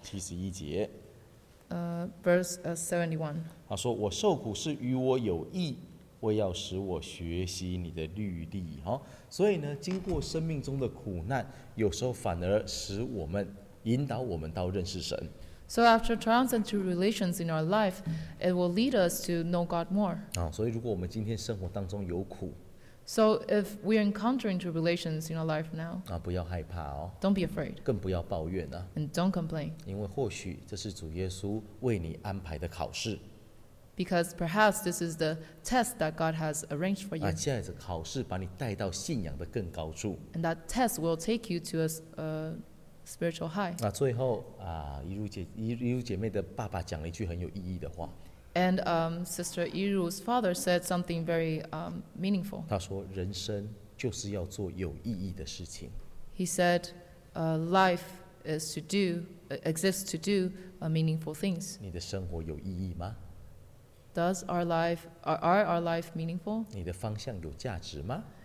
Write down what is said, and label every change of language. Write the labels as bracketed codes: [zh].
[zh] 七十一节。 [en] Verse 71. [zh] 他说：“我受苦是与我有益，为要使我学习你的律例。” 哈，所以呢，经过生命中的苦难，有时候反而使我们引导我们到认识神。 [en] So after trials and tribulations in our life, it will lead us to know God more. [zh] 所以如果我们今天生活当中有苦， [en] So if we are encountering tribulations in our life now, [zh] 不要害怕哦。 [en] Don't be afraid. [zh] 更不要抱怨啊。 [en] And don't complain. [zh] 因为或许这是主耶稣为你安排的考试。 [en] Because perhaps this is the test that God has arranged for you. [zh] 而且这考试把你带到信仰的更高处。 [en] And that test will take you to a spiritual high. [zh] 最后一如姐妹的爸爸讲了一句很有意义的话。 [en] And Sister Yiru's father said something very meaningful. [zh] 他说：“人生就是要做有意义的事情。” [en] He said, "Life is to do, exists to do, meaningful things." [zh] 你的生活有意义吗？ [en] Does our life, are our life meaningful? [zh] 你的方向有价值吗？